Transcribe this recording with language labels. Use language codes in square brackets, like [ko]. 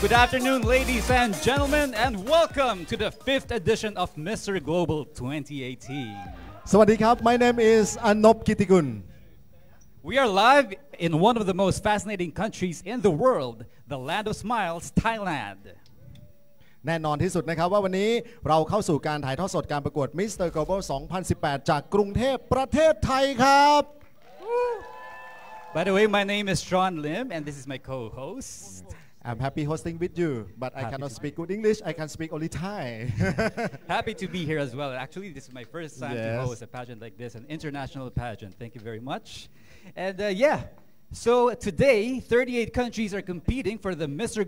[en] Good afternoon, ladies and gentlemen, and welcome to the fifth edition of Mr. Global 2018. Sawadee kap! My name is Anop Kitigun. We are live in one of the most fascinating countries in the world, the land of smiles, Thailand. [th] แน่นอนที่สุดนะครับว่าวันนี้เราเข้าสู่การถ่ายทอดสดการประกวด Mr. Global 2018จากกรุงเทพประเทศไทยครับ [en] By the way, my name is Sean Lim, and this is my co-host. I'm happy hosting with you, but happy I cannot speak good English. I can speak only Thai. Happy to be here as well. Actually, this is my first time to host a pageant like this, an international pageant. Thank you very much. And so today, 38 countries are competing for the Mr.